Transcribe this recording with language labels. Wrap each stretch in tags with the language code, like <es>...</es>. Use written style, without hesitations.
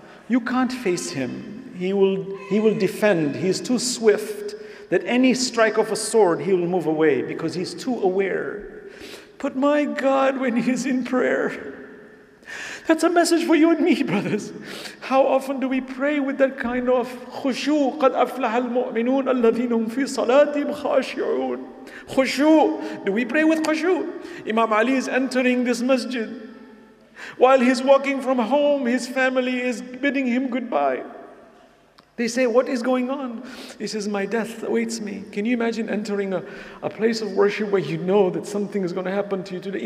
<en>You can't face him. He will defend. He's too swift that any strike of a sword, he will move away because he's too aware. But my God, when he's in prayer, that's a message for you and me, brothers. How often do we pray with that kind of khushu?</en> <ar>قَدْ أَفْلَحَ الْمُؤْمِنُونَ الَّذِينَ هُمْ فِي صَلَاتِهِمْ خَاشِعُونَ Khushu.</ar> <en>Do we pray with khushu? Imam Ali is entering this masjid. While he's walking from home, his family is bidding him goodbye. They say, what is going on? He says, my death awaits me. Can you imagine entering a place of worship where you know that something is going to happen to you today?</en>